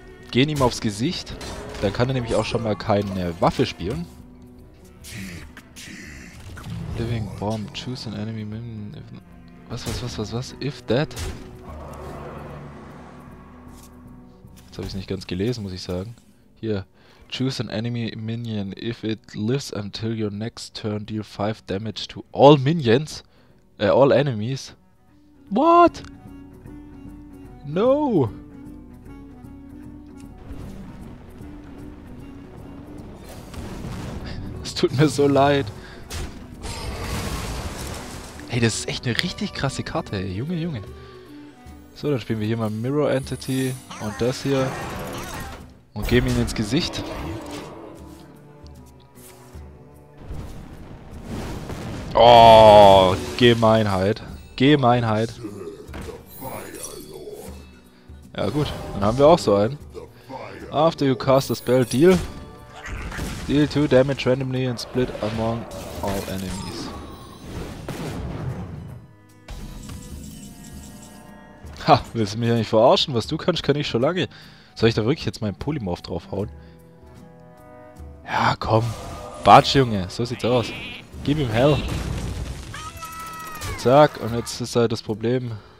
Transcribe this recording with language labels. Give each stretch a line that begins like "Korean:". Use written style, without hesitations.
German: Gehen ihm aufs Gesicht. Dann kann er nämlich auch schon mal keine Waffe spielen.
English: Living Bomb, choose an enemy minion. Was? If that?
German: Jetzt habe ich es nicht ganz gelesen, muss ich sagen.
English: Hier. Choose an enemy minion. If it lives until your next turn, deal 5 damage to all minions. All enemies. What? No!
German: Es tut mir so leid. Ey, das ist echt eine richtig krasse Karte, ey. Junge. So, dann spielen wir hier mal Mirror Entity und das hier. Und geben ihn ins Gesicht. Oh, Gemeinheit. Gemeinheit. Ja gut, dann haben wir auch so einen.
English: After you cast a spell, deal 2 damage randomly and split among all enemies.
German: Ha, willst du mich ja nicht verarschen? Was du kannst, kann ich schon lange. Soll ich da wirklich jetzt meinen Polymorph draufhauen? Ja, komm. Batsch, Junge. So sieht's aus. Gib ihm Hell. Zack. Und jetzt ist halt das Problem.